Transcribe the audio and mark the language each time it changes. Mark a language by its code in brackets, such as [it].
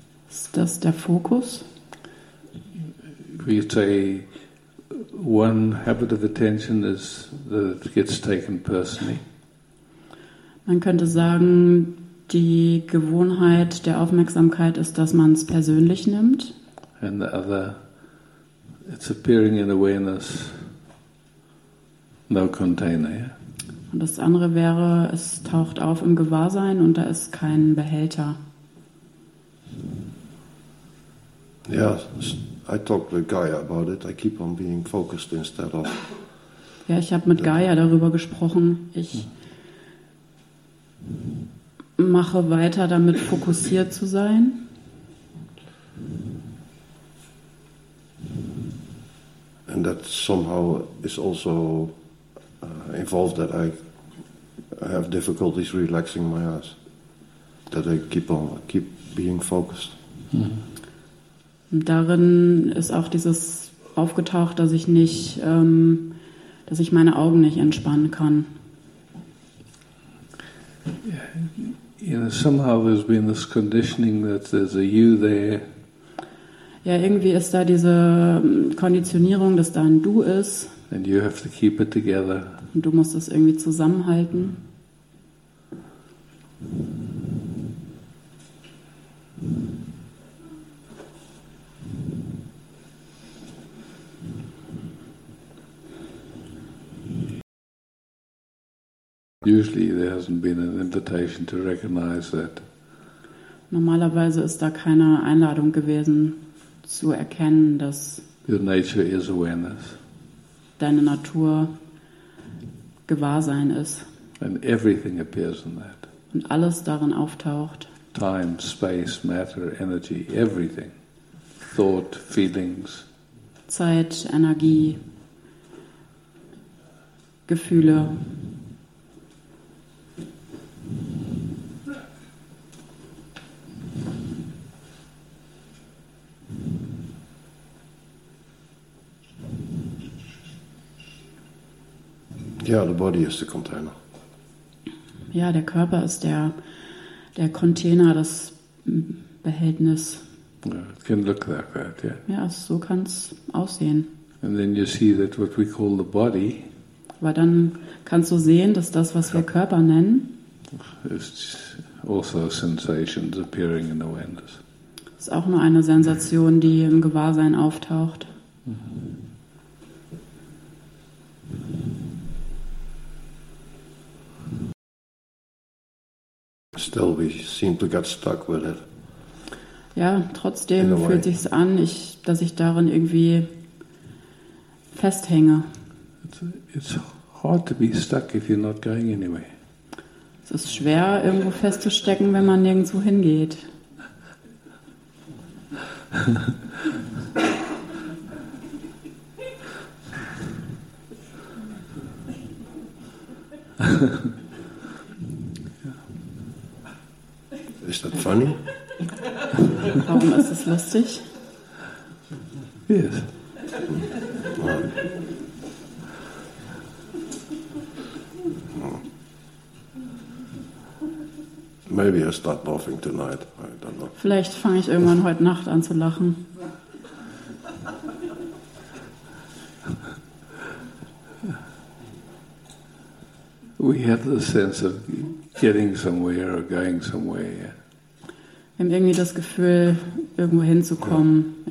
[de] Ist das der Fokus? [en] We say one habit of attention is that it gets taken personally. [de] Man könnte sagen, die Gewohnheit der Aufmerksamkeit ist, dass man es persönlich nimmt. [en] And the other, it's appearing in awareness, no container, yeah? [de] Und das andere wäre, es taucht auf im Gewahrsein und da ist kein Behälter. [en] Ja, I talked with Gaia about it. I keep on being focused instead of. [de] Ja, ich habe mit Gaia darüber gesprochen. Ich mache weiter damit, fokussiert zu sein. [en] And that somehow is also involved that I have difficulties relaxing my eyes. That I keep being focused. Mm-hmm. [de] Darin ist auch dieses aufgetaucht, dass ich nicht, dass ich meine Augen nicht entspannen kann. [en] You know, somehow there's been this conditioning that there's a you there. [de] Ja, irgendwie ist da diese Konditionierung, dass da ein Du ist. [en] And you have to keep it together. [de] Und du musst das irgendwie zusammenhalten. [en] Usually there hasn't been an invitation to recognize that. [de] Normalerweise ist da keine Einladung gewesen, zu erkennen, dass [en] your nature is awareness. [de] Deine Natur Gewahrsein ist. [en] And everything appears in that. [de] Und alles darin auftaucht. [en] Time, space, matter, energy, everything. Thought, feelings. [de] Zeit, Energie, Gefühle. [en] Ja, the body is the container. [de] Ja, der Körper ist der Container, das Behältnis. [en] Yeah, it can look like that, yeah. [de] Ja, so kann es aussehen. [en] And then you see that what we call the body. [de] Aber dann kannst du sehen, dass das, was wir Körper nennen, [en] ist also sensations appearing in awareness. [de] Ist auch nur eine Sensation, die im Gewahrsein auftaucht. Mm-hmm. [en] Still, we seem to get stuck with it. [de] Ja, trotzdem fühlt sich es an, dass ich darin irgendwie festhänge. [en] It's hard to be stuck if you're not going anyway. [de] Es ist schwer, irgendwo festzustecken, wenn man nirgendwo hingeht. [en] Is that funny? [de] Warum ist es lustig? [en] Yes. Maybe I start laughing tonight. I don't know. [de] Vielleicht fange ich irgendwann heute Nacht an zu lachen. [en] We have the sense of getting somewhere or going somewhere. Yeah. [de] Wir haben irgendwie das Gefühl, irgendwo hinzukommen, ja.